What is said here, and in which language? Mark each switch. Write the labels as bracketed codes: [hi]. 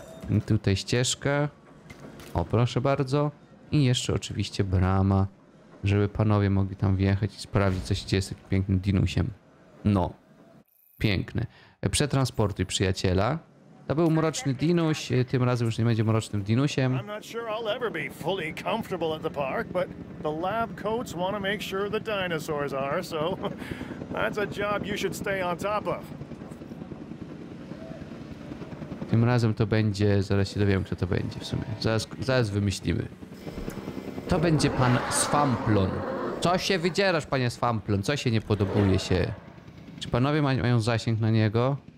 [pl] I tutaj ścieżka. O, proszę bardzo. I jeszcze oczywiście brama, żeby panowie mogli tam wjechać i sprawdzić, co się dzieje z takim pięknym dinusiem. No, piękne. Przetransportuj przyjaciela. To był mroczny dinuś, tym razem już nie będzie mrocznym dinusiem. [en] I'm not sure I'll ever be fully comfortable at the park, but the lab coats want to make sure the dinosaurs are, so that's a job you should stay on top of. [pl] Tym razem to będzie, zaraz się dowiem, kto to będzie w sumie. Zaraz wymyślimy. To będzie pan Swamplon. Co się wydzierasz, panie Swamplon? Co się nie podobuje się? Czy panowie mają zasięg na niego?